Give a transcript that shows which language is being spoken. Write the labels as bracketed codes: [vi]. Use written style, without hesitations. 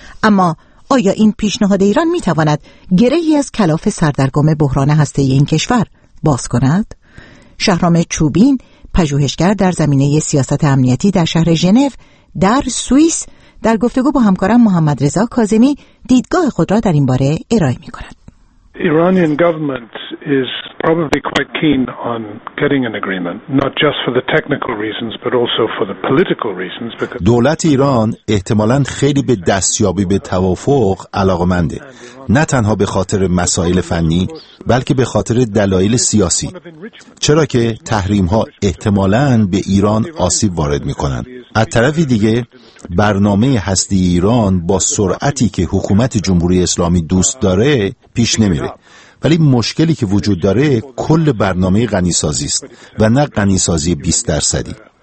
[fa] اما آیا این پیشنهاد ایران می تواند گرهی از کلاف سردرگم بحران هسته‌ای این کشور باز کند؟ شهرام چوبین، پژوهشگر در زمینه سیاست امنیتی در شهر ژنو در سوئیس، در گفتگو با همکارم محمد رضا کاظمی دیدگاه خود را در این باره ارائه می کند. [en] Iranian government is probably quite keen on getting an agreement, not just for the technical reasons, but also for the political reasons. [fa] دولت ایران احتمالاً خیلی به دستیابی به توافق علاقه‌منده. نه تنها به خاطر مسائل فنی، بلکه به خاطر دلایل سیاسی. چرا که تحریم‌ها احتمالاً به ایران آسیب وارد می‌کنند. از طرف دیگه برنامه هسته ایران با سرعتی که حکومت جمهوری اسلامی دوست داره پیش نمیره، ولی مشکلی که وجود داره کل برنامه غنی‌سازی است و نه غنی‌سازی 20%.